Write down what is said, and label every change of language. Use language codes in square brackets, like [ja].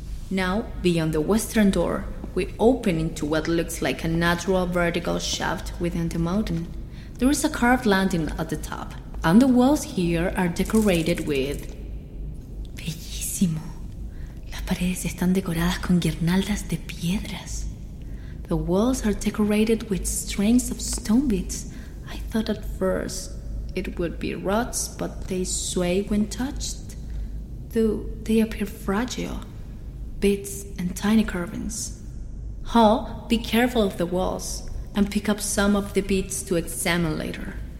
[en] Now, beyond the western door, we open into what looks like a natural vertical shaft within the mountain. There is a carved landing at the top, and the walls here are decorated with... [es] Bellísimo. Las paredes están decoradas con guirnaldas de piedras. [en] The walls are decorated with strings of stone beads. I thought at first it would be rods, but they sway when touched. Though they appear fragile. Beads and tiny carvings. Ho, be careful of the walls. And pick up some of the beads to examine later.